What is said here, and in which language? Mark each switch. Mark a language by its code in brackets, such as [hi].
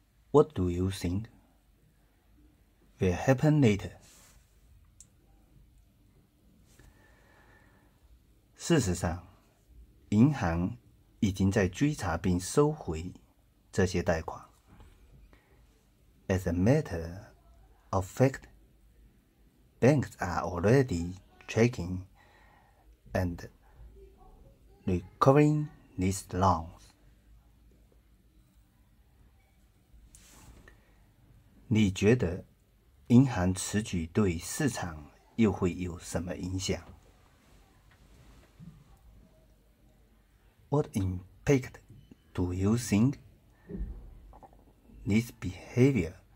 [en] What do you think will happen later? [zh] 事实上，银行已经在追查并收回这些贷款。 [en] As a matter of fact, banks are already tracking and recovering these loans. [zh] 你觉得银行此举对市场又会有什么影响？ [en] What impact do you think this behavior?